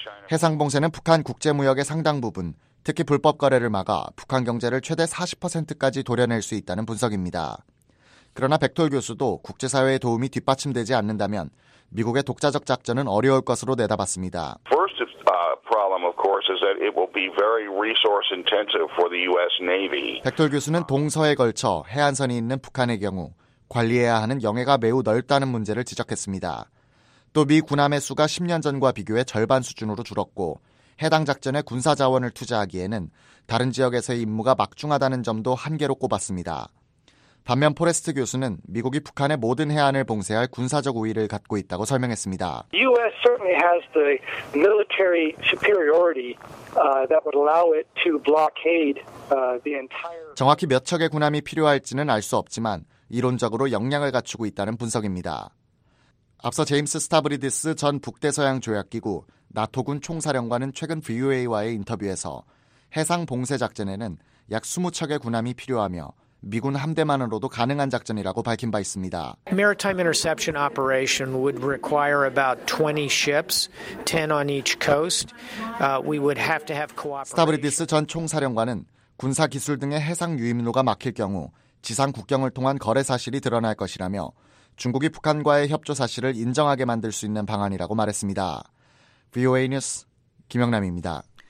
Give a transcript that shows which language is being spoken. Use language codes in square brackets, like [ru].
[ko] 해상 봉쇄는 북한 국제 무역의 상당 부분, 특히 불법 거래를 막아 북한 경제를 최대 40%까지 도려낼 수 있다는 분석입니다. 그러나 백톨 교수도 국제사회의 도움이 뒷받침되지 않는다면 미국의 독자적 작전은 어려울 것으로 내다봤습니다. [en] First problem, of course, is that it will be very resource intensive for the U.S. Navy. [ko] 백톨 교수는 동서에 걸쳐 해안선이 있는 북한의 경우 관리해야 하는 영해가 매우 넓다는 문제를 지적했습니다. 또 미 군함의 수가 10년 전과 비교해 절반 수준으로 줄었고 해당 작전에 군사 자원을 투자하기에는 다른 지역에서의 임무가 막중하다는 점도 한계로 꼽았습니다. 반면 포레스트 교수는 미국이 북한의 모든 해안을 봉쇄할 군사적 우위를 갖고 있다고 설명했습니다. [en] US certainly has the military superiority that would allow it to blockade the entire. [ko] 정확히 몇 척의 군함이 필요할지는 알 수 없지만 이론적으로 역량을 갖추고 있다는 분석입니다. 앞서 제임스 스타브리디스 전 북대서양조약기구 나토군 총사령관은 최근 VOA와의 인터뷰에서 해상 봉쇄 작전에는 약 20척의 군함이 필요하며 미군 함대만으로도 가능한 작전이라고 밝힌 바 있습니다. [en] Maritime interception operation would require about 20 ships, 10 on each coast. We would have to have cooperation. [ko] 스타브리디스 전 총사령관은 군사 기술 등의 해상 유입로가 막힐 경우 지상 국경을 통한 거래 사실이 드러날 것이라며 중국이 북한과의 협조 사실을 인정하게 만들 수 있는 방안이라고 말했습니다. VOA 뉴스 김영남입니다.